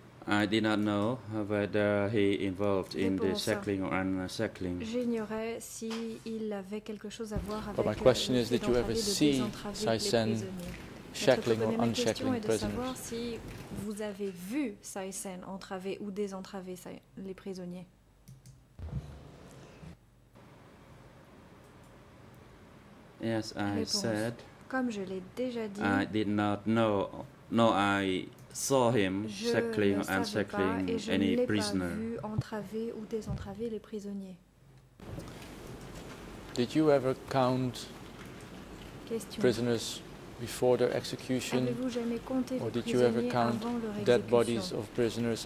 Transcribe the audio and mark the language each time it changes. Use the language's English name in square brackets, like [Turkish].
[English] I did not know whether he involved in the shackling or unshackling. [French] J'ignorais s'il avait quelque chose à voir avec. [English] But my question is, did you ever see Saisen shackling or unshackling prisoners? [French] Savoir si vous avez vu Saisen entraver ou désentraver les prisonniers. [English] Yes, I said. [French] Comme je l'ai déjà dit. [English] I did not know. No, I saw him shackling and unshackling any prisoner. [French] Je ne l'ai pas vu entraver ou désentraver les prisonniers. [English] Did you ever count prisoners before their execution? [French] Avez-vous jamais compté [English] or did you ever count dead bodies of prisoners